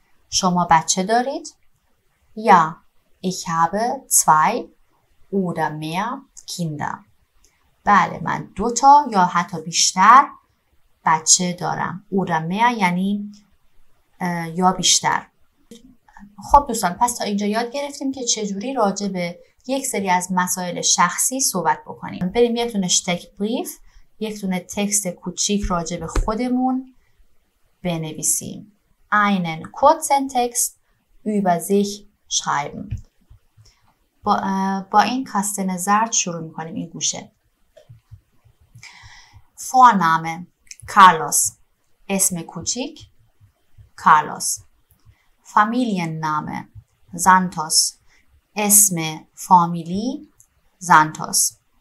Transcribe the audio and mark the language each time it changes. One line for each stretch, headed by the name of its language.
Persian: شما بچه دارید؟
German: Ja, ich habe zwei oder mehr Kinder.
Persian: بله من دو تا یا حتی بیشتر بچه دارم.
German: Oder mehr
Persian: یعنی یا بیشتر. خب دوستان پس تا اینجا یاد گرفتیم که چجوری راجع به یک سری از مسائل شخصی صحبت بکنیم. بریم یک دونه شتک بریف، یک دونه تکست کوچیک راجع به خودمون بنویسیم.
German: Einen kurzen Text über sich schreiben.
Persian: با این کاستن زرد شروع میکنیم این گوشه.
German: Vorname Carlos.
Persian: اسم کوچیک Carlos.
German: Familienname Santos.
Persian: اسم فامیلی Santos.